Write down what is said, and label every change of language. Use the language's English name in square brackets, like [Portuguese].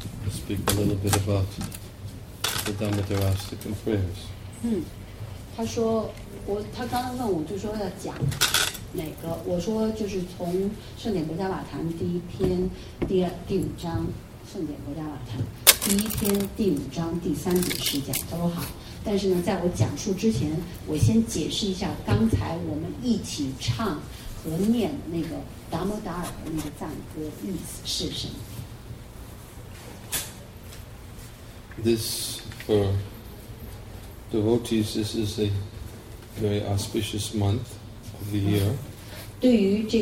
[English] speak a little bit about the Dhamma Dharastika and prayers. [Chinese] 他说，我他刚刚问我，就说要讲哪个？我说就是从圣典国家瓦坛第一篇、第二、第五章圣典国家瓦坛第一篇、第五章第三节时讲都好，但是呢，在我讲述之前，我先解释一下刚才我们一起唱和念那个达摩达尔的那个赞歌意思是什么。This [English] for devotees, this is a very auspicious month of the year.